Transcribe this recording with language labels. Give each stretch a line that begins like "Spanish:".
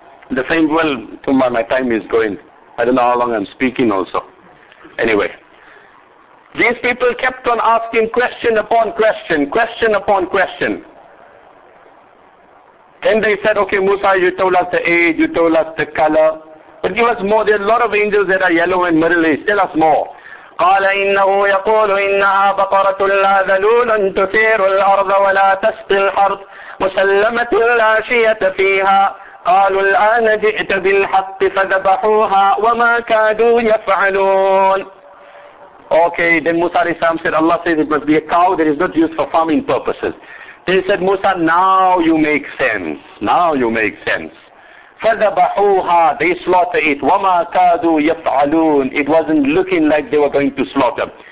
English: The same will, my time is going. I don't know how long I'm speaking also. Anyway. These people kept on asking question upon question, question upon question. Then they said, okay, Musa, you told us the age, you told us the color. But give us more. There are a lot of angels that are yellow and middle-aged. Tell us more.
Arabic: قال إنه يقول إنها بقرة لا ذلول تثير الأرض ولا تسقي الحرث مسلمة لا شية فيها قالوا الآن جئت بالحق فذبحوها وما كادوا يفعلون.
English: Okay, then Musa alayhi salam said, Allah says it must be a cow that is not used for farming purposes. They said, Musa, now you make sense. Now you make sense. فَذَبَحُوهَا, they slaughter it. وَمَا كَادُوا يَفْعَلُونَ, it wasn't looking like they were going to slaughter.